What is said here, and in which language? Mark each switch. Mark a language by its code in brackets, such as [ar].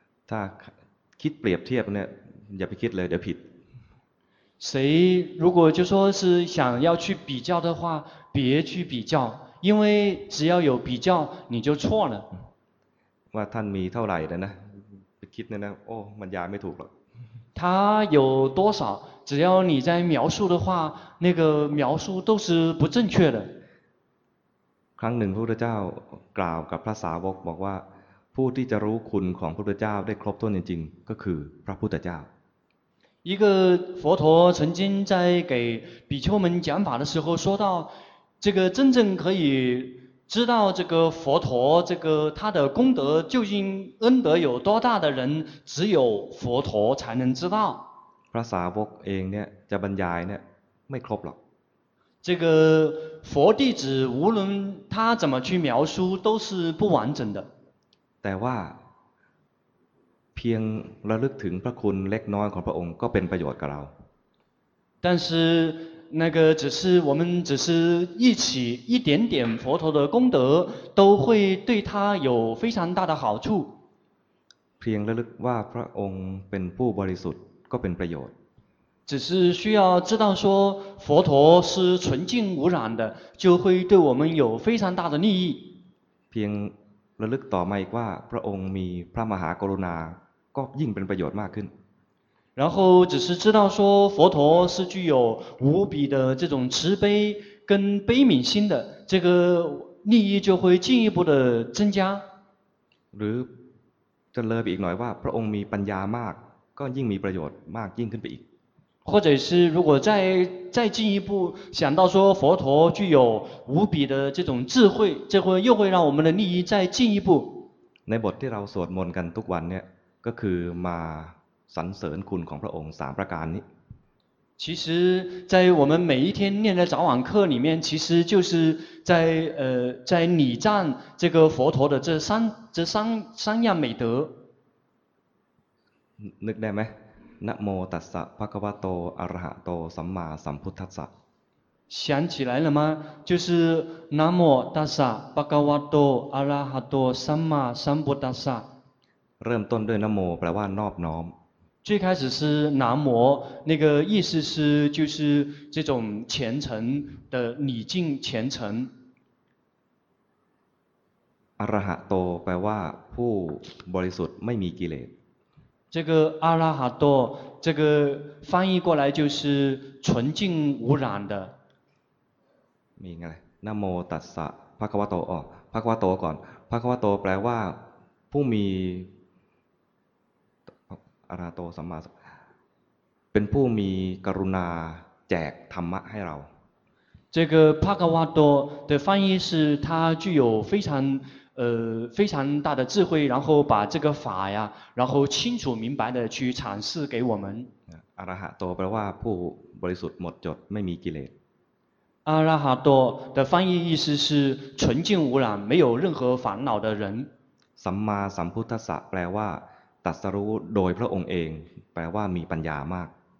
[th] ถ้าคิดเปรียบเทียบเนี่ยอย่าไปคิดเลยเดี๋ยวผิด [zh] 谁如果就说是想要去比较的话别去比较因为只要有比较你就错了 [th] ว่าท่านมีเท่าไหร่แล้วนะคิดนะนะโอ้มันยายไม่ถูกหรอก [zh] 他有多少只要你在描述的话那个描述都是不正确的 [th] ครั้งหนึ่งพระพุทธเจ้ากล่าวกับพระสาวกบอกว่าผู้ที่จะรู้คุณของพระพุทธเจ้าได้ครบถ้วนจริงๆก็คือพระพุทธเจ้า [zh] 一个佛陀曾经在给比丘们讲法的时候说到这个真正可以知道这个佛陀这个他的功德究竟恩德有多大的人只有佛陀才能知道 [th] พระสาวกเองเนี่ยจะบรรยายเนี่ยไม่ครบหรอก [zh] 这个佛弟子无论他怎么去描述都是不完整的 [th] แต่ว่าเพียงระลึกถึงพระคุณเล็กน้อยของพระองค์ก็เป็นประโยชน์กับเรา [zh] 但是那个只是我们只是一起一点点佛陀的功德都会对他有非常大的好处 [th] เพียงระลึกว่าพระองค์เป็นผู้บริสุทธิ์ก็เป็นประโยชน์ [zh] 只是需要知道说佛陀是纯净无染的就会对我们有非常大的利益 [th] เพียงระลึกต่อมาอีกว่าพระองค์มีพระมหากรุณาก็ยิ่งเป็นประโยชน์มากขึ้น [zh] 然后只是知道说佛陀是具有无比的这种慈悲跟悲悯心的这个利益就会进一步的增加 [th] หรือจะเลิศอีกหน่อยว่าพระองค์มีปัญญามากก็ยิ่งมีประโยชน์มากยิ่งขึ้นไปอีก [zh] 或者是如果再进一步想到说佛陀具有无比的这种智慧这会又会让我们的利益再进一步 [th] ในบทที่เราสวดมนต์กันทุกวันเนี่ยก็คือมาสรรเสริญคุณของพระองค์3ประการนี้ [zh] 其实在我们每一天念的早晚课里面其实就是在礼赞这个佛陀的这三样美德 [th] นึกได้ไหม [pi] นะโมตัสสะภะคะวะโตอะระหะโตสัมมาสัมพุทธัสสะ [zh] 想起来了吗就是 [pi] นะโมตัสสะภะคะวะโตอะระหะโตสัมมาสัมพุทธัสสะ [th] เริ่มต้นด้วยนะโมแปลว่านอบน้อม [zh] 最开始是南无那个意思是就是这种虔诚的礼敬虔诚 [th] อะระหะโตแปลว่าผู้บริสุทธิ์ไม่มีกิเลส [zh] 这个阿拉哈多这个翻译过来就是纯净无染的 [th] มีไงนะโมตัสสะภะคะวะโตอ๋อภะคะวะโตก่อนภะคะวะโตแปลว่าผู้มีอราโตสัมมาเป็นผู้มีกรุณาแจกธรรมะให้เรา [zh] 这个帕卡瓦多的翻译是他具有非常非常大的智慧，然后把这个法呀，然后清楚明白的去阐释给我们。 [th] 阿拉哈多แปลว่าผู้บริสุทธิ์หมดจดไม่มีกิเลส。 [zh] 阿拉哈多的翻译意思是纯净无染，没有任何烦恼的人。 [th] สัมมาสัมพุทธัสสะแปลว่าตรัสรู้โดยพระองค์เองแปลว่ามีปัญญามาก。